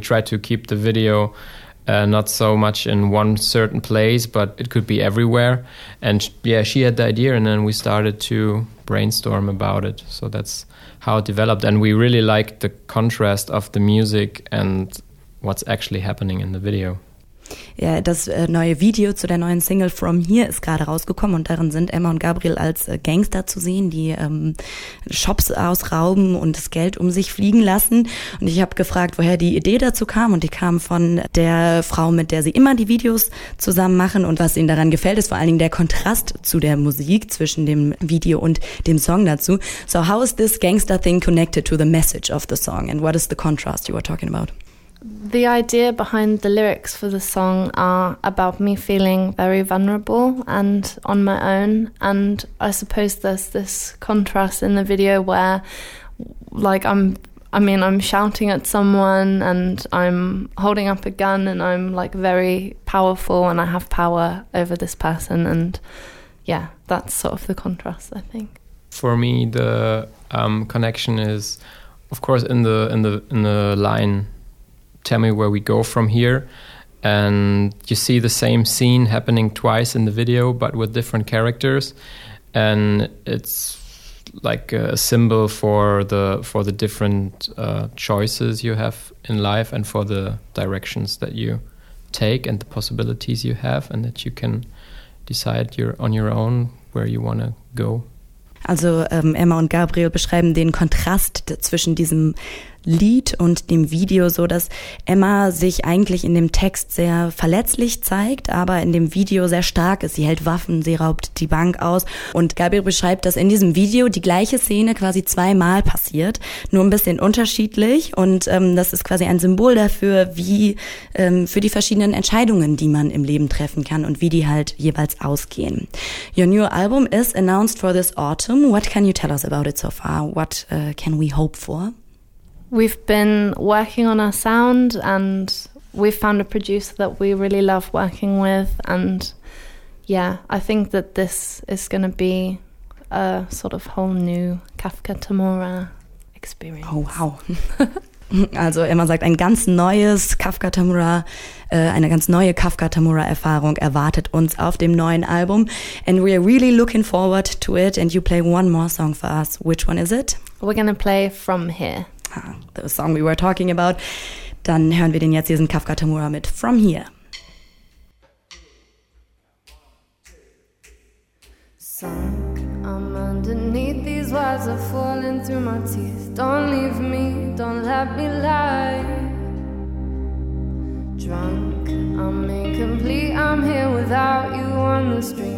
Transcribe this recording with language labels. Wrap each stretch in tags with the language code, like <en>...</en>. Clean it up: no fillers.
<en>We tried to keep the video not so much in one certain place, but it could be everywhere. And she had the idea, and then we started to brainstorm about it. So that's how it developed. And we really liked the contrast of the music and what's actually happening in the video.</en> <de>Ja, das neue Video zu der neuen Single From Here ist gerade rausgekommen und darin sind Emma und Gabriel als Gangster zu sehen, die Shops ausrauben und das Geld um sich fliegen lassen. Und ich habe gefragt, woher die Idee dazu kam, und die kam von der Frau, mit der sie immer die Videos zusammen machen. Und was ihnen daran gefällt, ist vor allen Dingen der Kontrast zu der Musik zwischen dem Video und dem Song dazu.</de> <en>So how is this gangster thing connected to the message of the song and what is the contrast you were talking about? The idea behind the lyrics for the song are about me feeling very vulnerable and on my own. And I suppose there's this contrast in the video where, like, I'm shouting at someone and I'm holding up a gun and I'm, like, very powerful and I have power over this person. And, yeah, that's sort of the contrast, I think. For me, the connection is, of course, in the line, tell me where we go from here, and you see the same scene happening twice in the video but with different characters, and it's like a symbol for the different choices you have in life and for the directions that you take and the possibilities you have, and that you can decide on your own where you want to go.</en> <de>Also Emma und Gabriel beschreiben den Kontrast zwischen diesem Lied und dem Video so, dass Emma sich eigentlich in dem Text sehr verletzlich zeigt, aber in dem Video sehr stark ist. Sie hält Waffen, sie raubt die Bank aus. Und Gabriel beschreibt, dass in diesem Video die gleiche Szene quasi zweimal passiert, nur ein bisschen unterschiedlich. Und das ist quasi ein Symbol dafür, wie für die verschiedenen Entscheidungen, die man im Leben treffen kann und wie die halt jeweils ausgehen.</de> <en>Your new album is announced for this autumn. What can you tell us about it so far? What can we hope for? We've been working on our sound and we've found a producer that we really love working with. And yeah, I think that this is going to be a sort of whole new Kafka Tamura experience. Oh, wow.</en> <de>Also Emma sagt, ein ganz neues Kafka Tamura, eine ganz neue Kafka Tamura Erfahrung erwartet uns auf dem neuen Album.</de> <en>And we are really looking forward to it. And you play one more song for us. Which one is it? We're going to play From Here. The song we were talking about.</en> <de>Dann hören wir den jetzt, diesen Kafka Tamura mit From Here.</de> <en>Sunk, I'm underneath, these words are falling through my teeth. Don't leave me, don't let me lie. Drunk, I'm incomplete, I'm here without you on the street.</en>